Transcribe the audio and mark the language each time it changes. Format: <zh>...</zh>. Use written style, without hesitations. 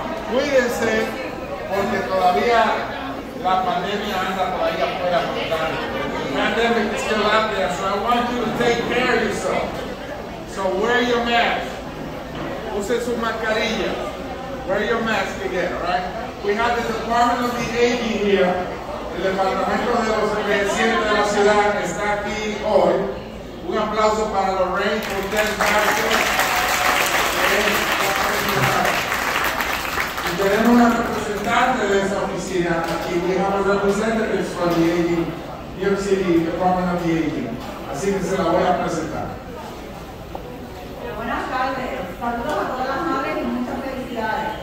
<es>Cuídense, porque todavía la pandemia anda todavía fuera por tanto.</es> <en>Pandemic is still out there, so I want you to take care of yourself. So wear your mask.</en> <es>Use su mascarilla.</es> <en>Wear your mask again, right? We have the Department of the AV here.</en> <es>El Departamento de los Envejecientes de la Ciudad está aquí hoy. Un aplauso para Lorraine Cortez Vázquez. Y tenemos una representante de esa oficina aquí.</es> <en>We have a representative from the AV, New York City, Department of the AV.</en> <es>Así que se la voy a presentar. Buenas tardes. Saludos a todas las madres y muchas felicidades.</es>